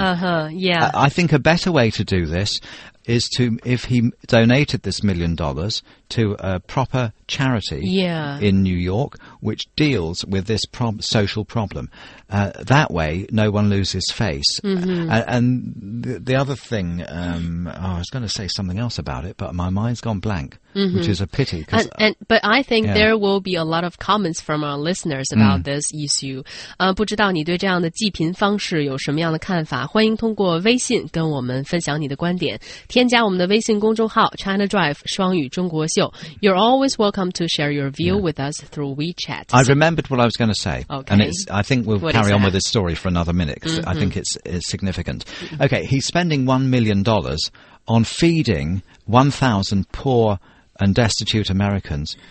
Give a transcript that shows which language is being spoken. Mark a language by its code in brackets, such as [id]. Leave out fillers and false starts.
[en] I think a better way to do this is to, if he donated this $1 million to a proper charity in New York, which deals with this social problem. That way, no one loses face. And the other thing, I was going to say something else about it, but my mind's gone blank, which is a pity. But I think there will be a lot of comments from our listeners about this issue. [zh] 不知道你对这样的济贫方式有什么样的看法，欢迎通过微信跟我们分享你的观点。添加我们的微信公众号 China Drive 双语中国秀。 [en] You're always welcome to share your view with us through WeChat. I remembered what I was going to say. Okay. And I think we'll carry on with this story for another minute because I think it's significant. Okay, he's spending $1 million on feeding 1,000 poor and destitute Americans.